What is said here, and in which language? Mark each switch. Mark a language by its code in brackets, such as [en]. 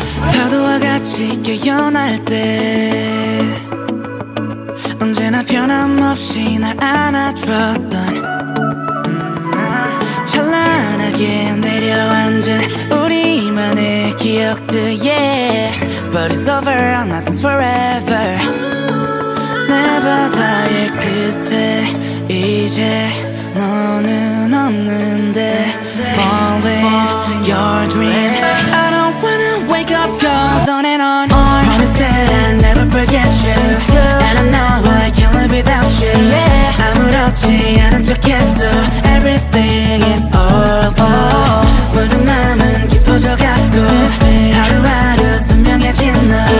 [ko] 파도와 같이 깨어날 때 언제나 변함없이 날 안아줬던 찬란하게 내려앉은 우리만의 기억들 yeah. [en] But it's over, nothing's forever. [ko] 내 바다의 끝에 이제 너는 없는데 [en] Falling your dream. I don't wanna wake up, goes on and on. Promise that I'll never forget you. And I know I can't live without you. [ko] 아무렇지 않은 척해도 [en] Everything is over. [ko] 모든 마음은 깊어져갖고 하루하루 선명해진 너.